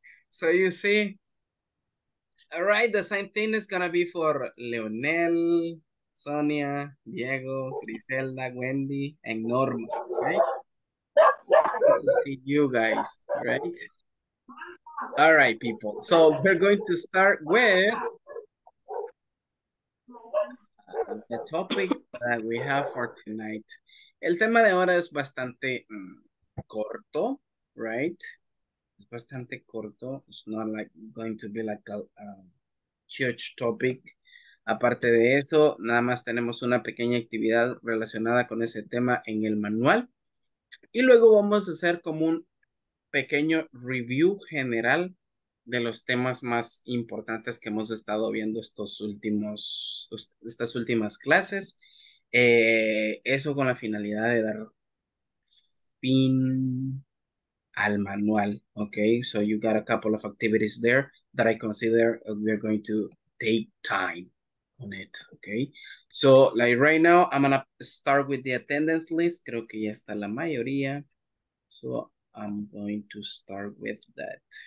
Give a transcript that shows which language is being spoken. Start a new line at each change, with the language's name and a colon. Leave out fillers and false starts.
English: So you see, all right, the same thing is gonna be for Leonel, Sonia, Diego, Griselda, Wendy, and Norma, right? To see you guys, right? All right, people. So we're going to start with the topic that we have for tonight.
Spanish: El tema de ahora es bastante corto, right? Es bastante corto,
English: it's not like going to be like a huge topic.
Spanish: Aparte de eso, nada más tenemos una pequeña actividad relacionada con ese tema en el manual. Y luego vamos a hacer como un pequeño review general de los temas más importantes que hemos estado viendo estas últimas clases. Eso con la finalidad de dar fin al manual, ok.
English: So you got a couple of activities there that I consider we are going to take time on it, ok. So, like right now, I'm gonna start with the attendance list.
Spanish: Creo que ya está la mayoría.
English: So I'm going to start with that.